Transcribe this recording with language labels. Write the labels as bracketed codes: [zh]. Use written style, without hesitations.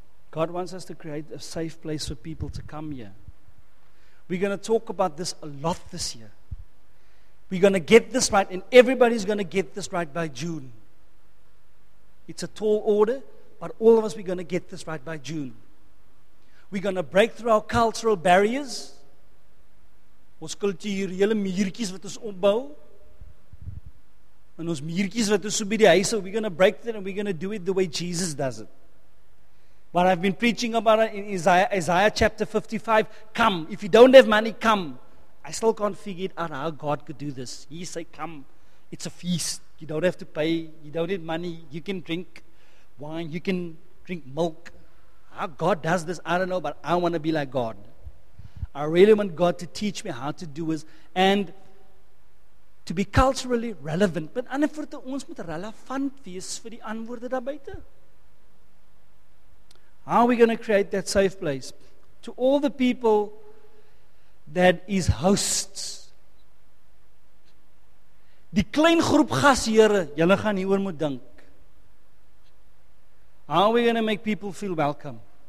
[en] God wants us to create a safe place for people to come here. We're going to talk about this a lot this year. We're going to get this right, and everybody's going to get this right by June. It's a tall order, but all of us, we're going to get this right by June. We're going to break through our cultural barriers. [af] Ons kulturele muurtjies wat ons opbou. En ons muurtjies wat ons so by die huis, [en] we're going to break through and we're going to do it the way Jesus does it. What I've been preaching about in Isaiah chapter 55, come. If you don't have money, come. I still can't figure it out how God could do this. He said, come. It's a feast. You don't have to pay. You don't need money. You can drink wine. You can drink milk. How God does this, I don't know, but I want to be like God. I really want God to teach me how to do this and to be culturally relevant. But [af] anafurte, ons moet relevant wees vir die antwoorde daar buite. [en] How are we going to create that safe place? To all the people that is hosts. [af] Die klein groep gas, here, julle gaan hieroor moet dink. [en] How are we going to make people feel welcome?